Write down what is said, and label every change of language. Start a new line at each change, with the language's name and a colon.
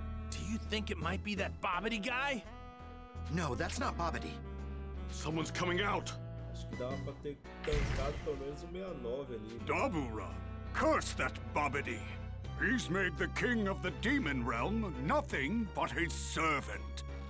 English: Do you think it might be that Bobbity guy? No, that's not Bobbity. Someone's coming out.
Portuguese: Acho que dava pra ter cansado pelo menos o 69 ali.
English: Dabura! Curse that Bobbity! He's made the king of the demon realm nothing but his servant.